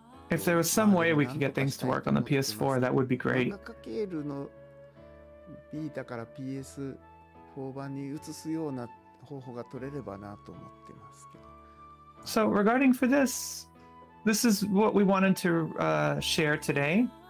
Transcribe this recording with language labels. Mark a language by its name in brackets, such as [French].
[English] If there was some way we could get things to work on the PS4, that would be great. [Japanese] マガケールのビータから PS4 版に移すような方法が取れればなと思ってますけど。 [English] So regarding for this, this is what we wanted to share today.